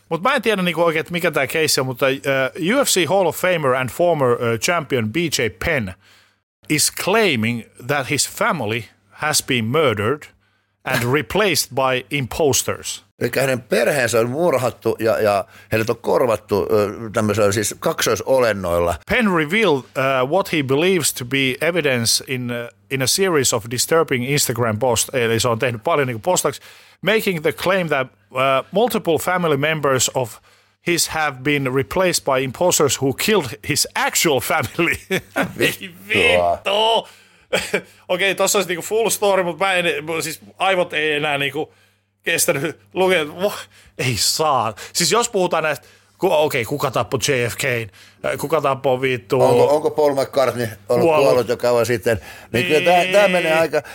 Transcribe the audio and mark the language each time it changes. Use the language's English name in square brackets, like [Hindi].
[Finnish] Mutta mä en tiedä niin kuin oikein, että mikä tämä keissi on, [English] mutta UFC Hall of Famer and former champion BJ Penn is claiming that his family has been murdered and replaced by imposters. [Finnish] Eli hänen perheensä on murhattu ja heidät on korvattu tämmöisellä siis kaksoisolennoilla. [English] Penn revealed what he believes to be evidence in a series of disturbing Instagram posts, [Finnish] eli se on tehnyt paljon niin kuin postaksi, [English] making the claim that multiple family members of his have been replaced by imposters who killed his actual family. [Finnish] Vittu! Okei, tuossa olisi niinku [English] full story, [Finnish] mutta siis aivot ei enää niinku kestänyt lukea. Ei saa. Siis jos puhutaan näistä, kuka tappoi JFK:n, kuka tappoi vittu. Onko Paul McCartney ollut kuollut jo kauan sitten? Niin kyllä tämä menee aika.